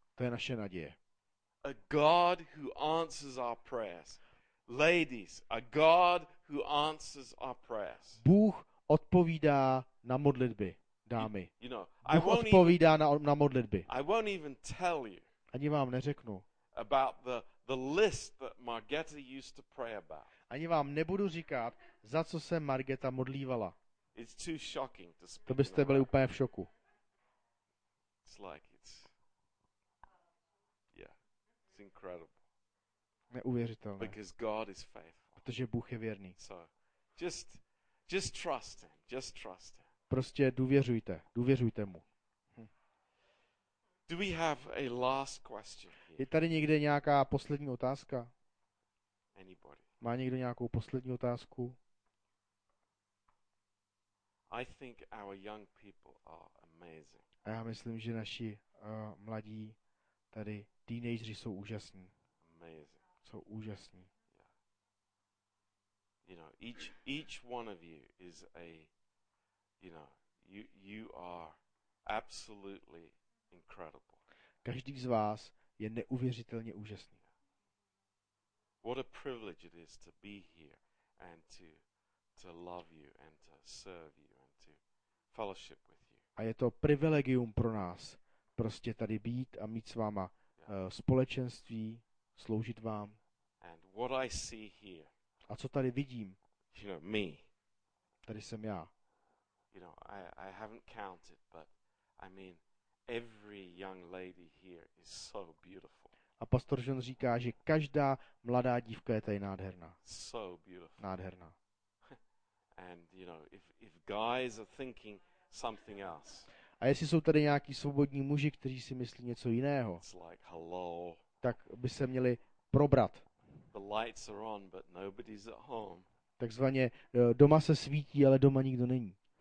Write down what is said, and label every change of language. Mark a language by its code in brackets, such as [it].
[cs] To je naše naděje. [en] A God who answers our prayers. Ladies, a God who answers our prayers. [cs] Bůh odpovídá na modlitby. Dámy. [en] You know, [cs] Bůh odpovídá na modlitby. [en] I won't even tell you. [cs] Ani vám neřeknu. [en] About the list that Margeta used to pray about. [cs] Ani vám nebudu říkat, za co se Margeta modlívala. [en] It's too shocking to speak. [cs] To byste byli úplně v šoku. [en] It's like it's yeah, it's incredible. [cs] Neuvěřitelné. [en] Because God is faithful. [cs] Protože Bůh je věrný. [en] So, just trust him. Just trust him. [cs] Prostě důvěřujte. Důvěřujte mu. [en] Do we have a last question here? [cs] Je tady někde nějaká poslední otázka? [en] Anybody? [cs] Má někdo nějakou poslední otázku? [en] I think our young people are amazing. [cs] A já myslím, že naši mladí tady teenageři jsou úžasní. [en] Amazing. [cs] Jsou úžasní. Yeah. [en] You know, each one of you is a you know, you are absolutely incredible. [cs] Každý z vás je neuvěřitelně úžasný. [en] What a privilege it is to be here and to love you and to serve you and to fellowship with you. [cs] A je to privilegium pro nás prostě tady být a mít s váma společenství, sloužit vám. [en] And what I see here. [cs] A co tady vidím? [en] You know, me. [cs] Tady jsem já. [en] You know, I haven't counted, but I mean, every young lady here is so beautiful. [cs] A pastor John říká, že každá mladá dívka je tady nádherná. [en] So beautiful. [cs] Nádherná. [en] And you know, if guys are thinking something else. [cs] A jestli jsou tady nějaký svobodní muži, kteří si myslí něco jiného. [en] It's like, hello. [cs] Tak by se měli probrat. [en] The lights are on, but nobody's at home. [cs] Takzvaně doma se svítí, ale doma nikdo není.